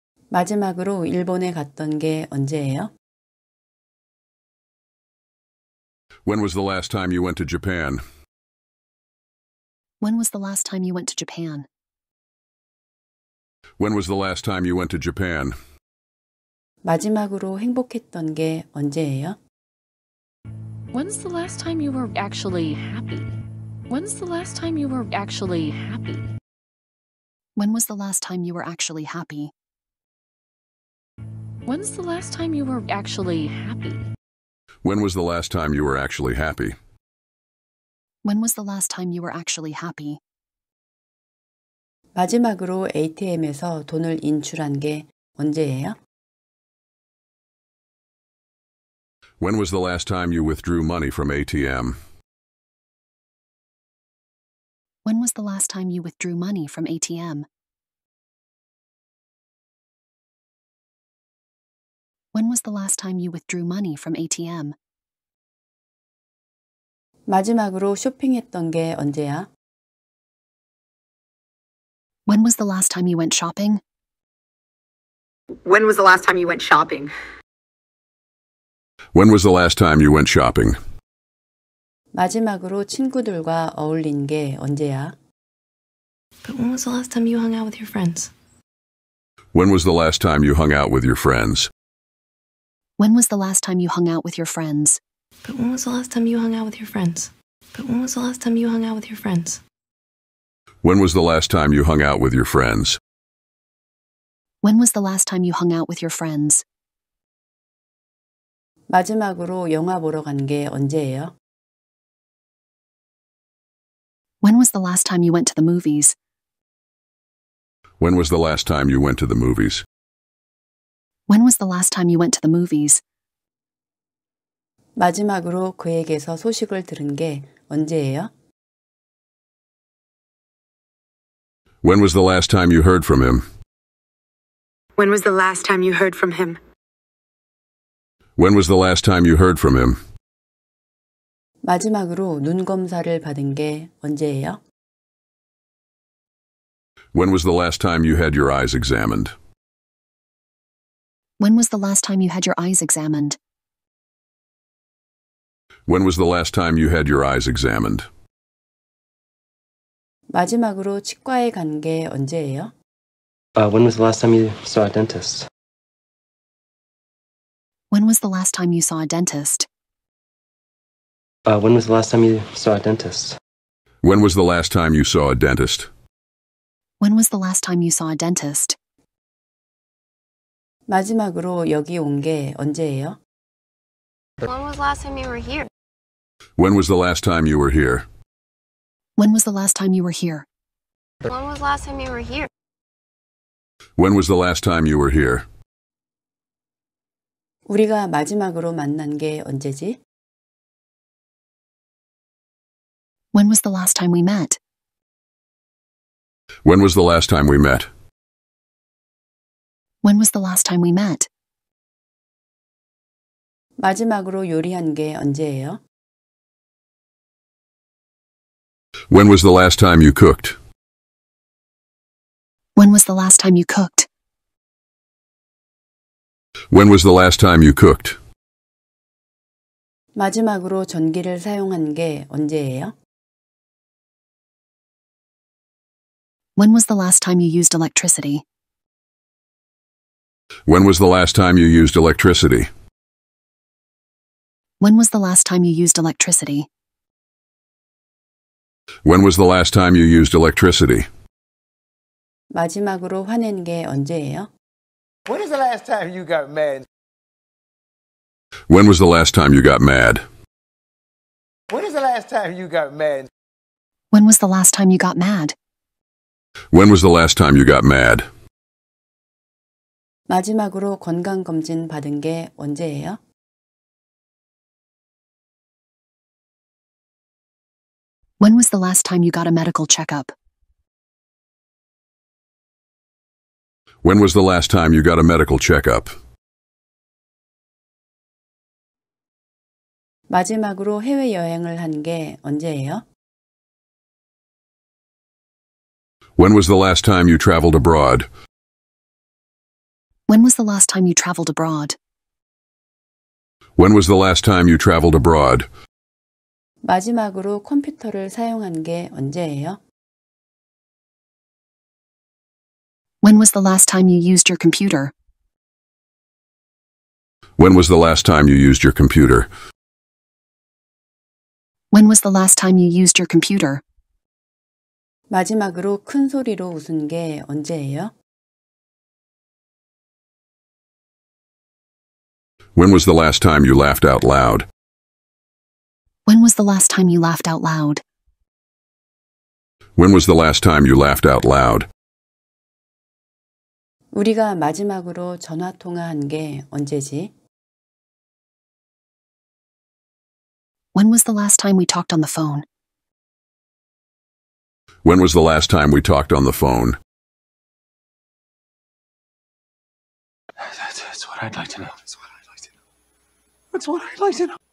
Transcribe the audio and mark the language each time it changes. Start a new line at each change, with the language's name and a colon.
Korean: 마지막으로 일본에 갔던 게 언제예요?
English: When was the last time you went to Japan? When was the last time you went to Japan? When was the last time you went to Japan?
Korean: 마지막으로 행복했던 게 언제예요?
English: When's the last time you were actually happy? When's the last time you were actually happy? When was the last time you were actually happy? When's the last time you were actually happy? When was the last time you were actually happy? When was the last time you were actually happy?
Korean: 마지막으로 ATM에서 돈을 인출한 게 언제예요?
English: When was the last time you withdrew money from ATM? When was the last time you withdrew money from ATM? When was the last time you withdrew money from ATM?
Korean: 마지막으로 쇼핑했던 게 언제야?
English: When was the last time you went shopping? When was the last time you went shopping? When was the last time you went shopping?
Korean: 마지막으로 친구들과 어울린 게 언제야?
English: But when was the last time you hung out with your friends? When was the last time you hung out with your friends? When was the last time you hung out with your friends? But when was the last time you hung out with your friends? But when was the last time you hung out with your friends? When was the last time you hung out with your friends? When was the last time you hung out with your friends?
Korean: 마지막으로 영화 보러 간 게 언제예요?
English: When was the last time you went to the movies? When was the last time you went to the movies? When was the last time you went to the movies?
Korean: 마지막으로 그에게서 소식을 들은 게 언제예요?
English: When was the last time you heard from him? When was the last time you heard from him? When was the last time you heard from him?
Korean: 마지막으로 눈 검사를 받은 게 언제예요?
English: When was the last time you had your eyes examined? When was the last time you had your eyes examined? When was the last time you had your eyes examined?
Korean: 마지막으로 치과에 간 게 언제예요?
English: When was the last time you saw a dentist? When was the last time you saw a dentist? When was the last time you saw a dentist? When was the last time you saw a dentist? When was the last time you saw a dentist?
Korean: 마지막으로 여기 온 게 언제예요?
English: When was the last time you were here? When was the last time you were here? When was the last time you were here? When was the last time you were here? When was the last time you were here?
Korean: 우리가 마지막으로 만난 게 언제지?
English: When was the last time we met? When was the last time we met? When was the last time we met?
Korean: 마지막으로 요리한 게 언제예요?
English: When was the last time you cooked? When was the last time you cooked? When was the last time you cooked?
Korean: 마지막으로 전기를 사용한 게 언제예요?
English: When was the last time you used electricity? When was the last time you used electricity? When was the last time you used electricity? When was the last time you used electricity?
Korean: 마지막으로 화낸 게 언제예요?
English: When was the last time you got mad? When was the last time you got mad? When was the last time you got mad? When was the last time you got mad? When was the last time you got mad?
Korean: 마지막으로 건강 검진 받은 게 언제예요?
English: When was the last time you got a medical checkup? When was the last time you got a medical checkup?
Korean: 마지막으로 해외 여행을 한 게 언제예요?
English: When was the last time you traveled abroad? When was the last time you traveled abroad? When was the last time you traveled abroad?
Korean: 마지막으로 컴퓨터를 사용한 게 언제예요?
English: When was the last time you used your computer? When was the last time you used your computer? When was the last time you used your computer?
Korean: 마지막으로 큰 소리로 웃은 게 언제예요?
English: When was the last time you laughed out loud? When was the last time you laughed out loud? When was the last time you laughed out loud?
Korean: 우리가 마지막으로 전화 통화한 게 언제지?
English: When was the last time we talked on the phone? When was the last time we talked on the phone? That's what I'd like to know. That's what I'd like to know.